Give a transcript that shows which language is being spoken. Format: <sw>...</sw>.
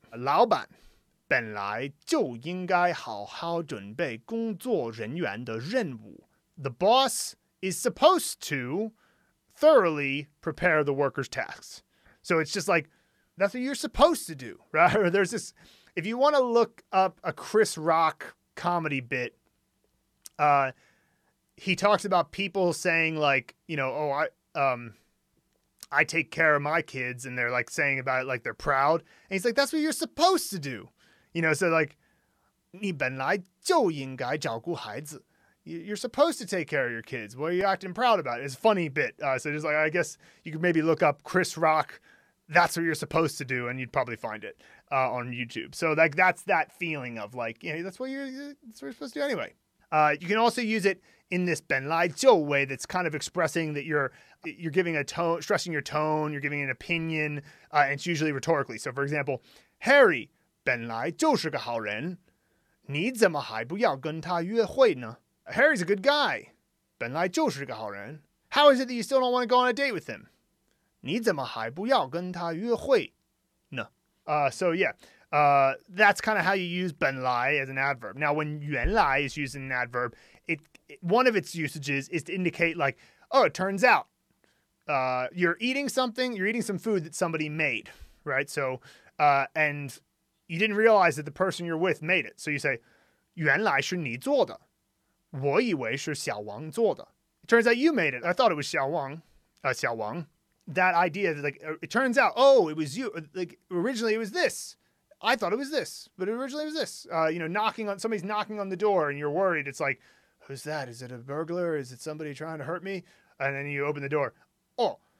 <zh>老板本来就应该好好准备工作人员的任务。</zh> <en>The boss is supposed to thoroughly prepare the workers' tasks. So it's just like, that's what you're supposed to do, right? There's this, if you want to look up a Chris Rock comedy bit, he talks about people saying like, you know, oh, I take care of my kids. And they're like saying about it like they're proud. And he's like, that's what you're supposed to do. You know, so like,</en> <zh>你本来就应该照顾孩子。</zh> <en>You're supposed to take care of your kids. What are you acting proud about? It's a funny bit. So just like, I guess you could maybe look up Chris Rock. That's what you're supposed to do. And you'd probably find it on YouTube. So like, that's that feeling of like, you know, that's what you're supposed to do anyway. You can also use it in this 本来就 way that's kind of expressing that you're giving a tone, stressing your tone. You're giving an opinion. And it's usually rhetorically. So for example, Harry</en> <zh>本来就是个好人。你怎么还不要跟他约会呢?</zh> <en>Harry's a good guy.</en> <zh>本来就是个好人.</zh> <en>How is it that you still don't want to go on a date with him?</en> <zh>你怎么还不要跟他约会呢?</zh> <en>That's kind of how you use 本来 as an adverb. Now, when 原来 is used in an adverb, one of its usages is to indicate like, oh, it turns out you're eating some food that somebody made, right? So, and you didn't realize that the person you're with made it. So you say,</en> <zh>原来是你做的. 我以为是小王做的。</zh> <en>It turns out you made it. I thought it was Xiao Wang. That idea that like it turns out, oh, it was you. Like originally it was this. I thought it was this, but originally it was this. Somebody's knocking on the door and you're worried. It's like, who's that? Is it a burglar? Is it somebody trying to hurt me? And then you open the door. Oh,</en>